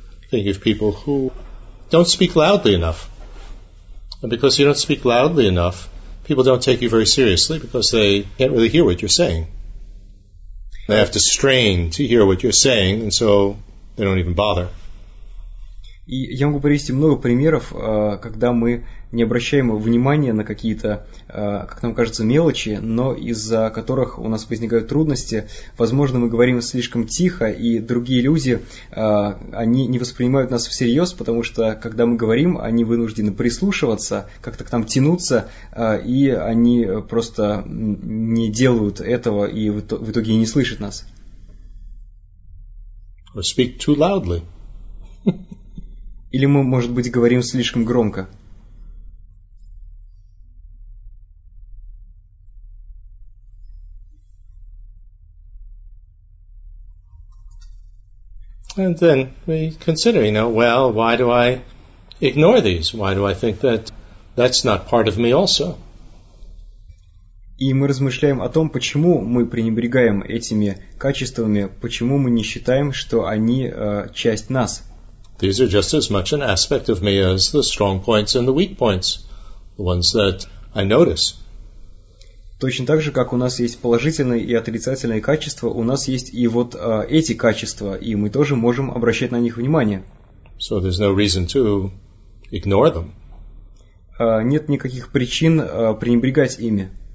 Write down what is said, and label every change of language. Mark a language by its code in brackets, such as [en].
[en] Think of people who don't speak loudly enough. And because you don't speak loudly enough, people don't take you very seriously because they can't really hear what you're saying. They have to strain to hear what you're saying, and so they don't even bother. [ru] И я могу привести много примеров, когда мы не обращаем внимания на какие-то, как нам кажется, мелочи, но из-за которых у нас возникают трудности. Возможно, мы говорим слишком тихо, и другие люди, они не воспринимают нас всерьез, потому что, когда мы говорим, они вынуждены прислушиваться, как-то к нам тянуться, и они просто не делают этого, и в итоге не слышат нас. [en] Or speak too loudly. [ru] Или мы, может быть, говорим слишком громко. [en] And then we consider, you know, well, why do I ignore these? Why do I think that that's not part of me also? [ru] И мы размышляем о том, почему мы пренебрегаем этими качествами, почему мы не считаем, что они часть нас. [en] These are just as much an aspect of me as the strong points and the weak points, the ones that I notice. [ru] Точно так же, как у нас есть положительные и отрицательные качества, у нас есть и вот эти качества, и мы тоже можем обращать на них внимание. [en] So there's no reason to ignore them. [ru] Нет никаких причин пренебрегать ими.